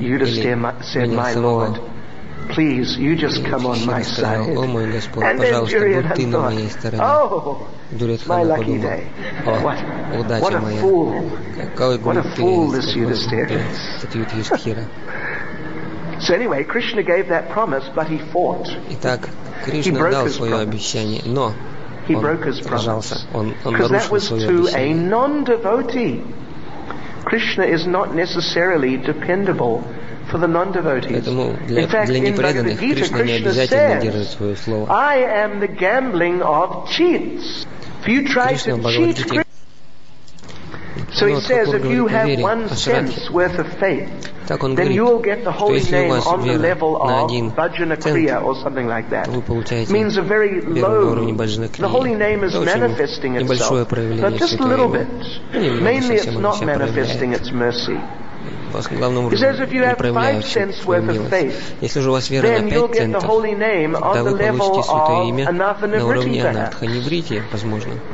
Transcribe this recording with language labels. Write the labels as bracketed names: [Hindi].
[English] Yudhisthira said, my Lord, please, you just come on my side. [Russian] О, мой Господь, [English] and then Duryodhana thought, oh, my lucky day. What a fool. What a fool this Yudhisthira is. So anyway, Krishna gave that promise, but he fought. [Russian] Итак, Кришна дал свое обещание, но [English] he broke his promise. Because that was to a non-devotee. Krishna is not necessarily dependable for the non-devotees. [Russian] Поэтому для, [English] in fact, in Bhagavad Gita, Krishna says, I am the gambling of cheats. If you try to cheat Krishna, so he says, if you have one sense worth of faith, [Russian] Так он говорит, что если у вас вера на один центр, вы получаете первый уровень Баджанакрия. Это очень небольшое проявление святого имени. Главным образом не проявляют свою милость. Если же у вас вера на 5 центов, то вы получите святое имя на уровне анатха-неврити, возможно.